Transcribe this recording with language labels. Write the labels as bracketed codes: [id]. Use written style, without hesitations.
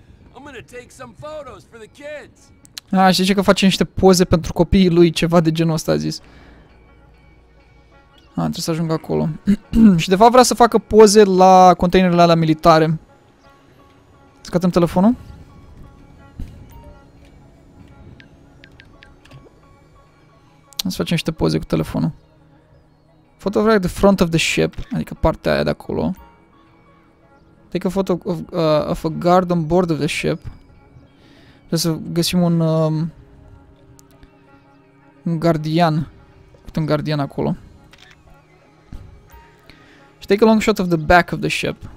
[en] I'm gonna take some photos for the kids. [ro] Ah, și zice că face niște poze pentru copiii lui, ceva de genul ăsta a zis. Ah, trebuie să ajung acolo. Și de fapt vrea să facă poze la containerele alea militare. Scatem telefonul. Să facem niște poze cu telefonul. [en] Photograph the front of the ship, [ro] adică partea aia de acolo. [en] Take a photo of, of a guard on board of the ship. [ro] Trebuie să găsim un un gardian. Uite un gardian acolo. [en] Și take a long shot of the back of the ship.